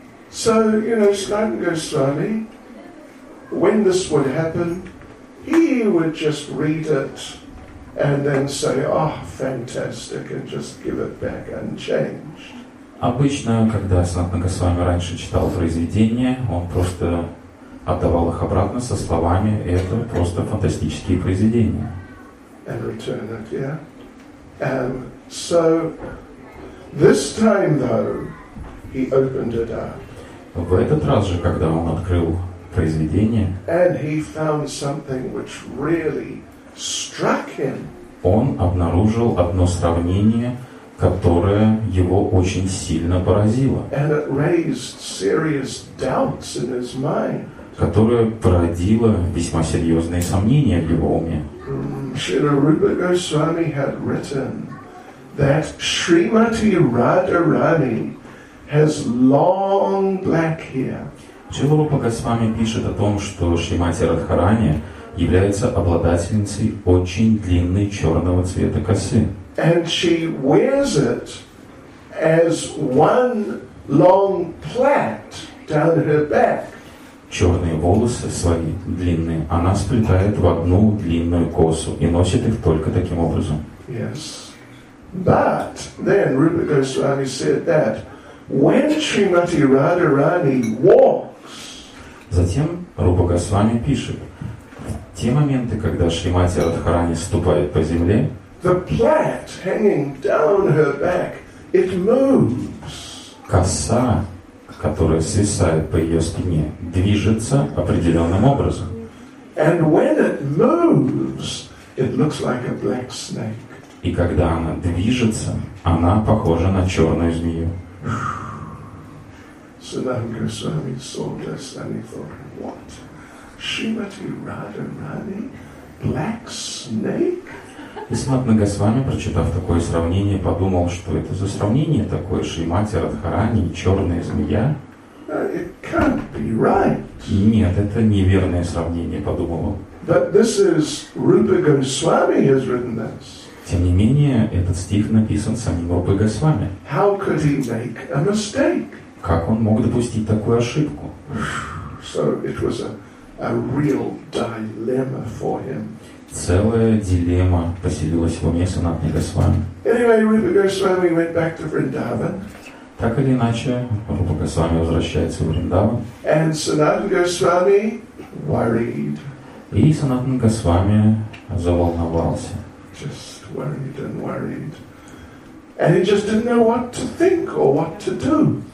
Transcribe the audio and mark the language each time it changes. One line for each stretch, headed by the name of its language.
English: So, you know, Sanatan Goswami, when this would happen, he would just read it and then say, "Oh, fantastic," and just give it back unchanged.
Russian: Обычно, когда Санатан Госвами раньше читал произведения, он просто отдавал их обратно со словами: "Это просто фантастические произведения."
English: And return it, yeah. So this time, though, he opened it up.
Russian: В этот раз же, когда он открыл произведение,
English: and he found something which really struck him.
Russian: Он обнаружил одно сравнение, которое его очень сильно поразило.
English: And it raised serious doubts in his mind.
Russian: Которое породило весьма серьезные сомнения в его уме.
English: Шрила Рупа Госвами had written that Shrimati Radharani has long black hair.
Russian: Шрила Рупа Госвами пишет о том, что Шримати Радхарани является обладательницей очень длинной черного цвета косы.
English: And she wears it as one long plait down her back.
Russian: Черные волосы свои длинные она сплетает в одну длинную косу и носит их только таким образом.
English: Yes. But then Rupa Goswami said that when Srimati Radharani walks.
Russian: Затем Рупа Госвами пишет: те моменты, когда Шримати Радхарани ступает по земле,
English: the plait hanging down her back, it moves.
Russian: Коса, которая свисает по ее спине, движется определенным образом.
English: And when it moves, it looks like a black snake.
Russian: И когда она движется, она похожа на черную змею.
English: Sanatan Goswami saw this and he thought, "What? Shrimati Radharani, black snake?"
Russian: И Санатан Госвами, прочитав такое сравнение, подумал, что это за сравнение такое, Шримати Радхарани и черная змея.
English: It can't be right.
Russian: Нет, это неверное сравнение, подумал он.
English: But this is Rupa Goswami has written this.
Russian: Тем не менее, этот стих написан самим Рупой Госвами.
English: How could he make a mistake?
Russian: Как он мог допустить такую ошибку?
English: So it was a real dilemma for him.
Russian: Целая дилемма поселилась в уме Санатаны Госвами.
English: Anyway, Rupa Goswami went back to Vrindavan.
Russian: Так или иначе, Рупа Госвами возвращается в Вриндаван.
English: And Sanatan Goswami worried.
Russian: И Санатан Госвами заволновался.
English: Just worried and worried. And he just didn't know what to think or what to do.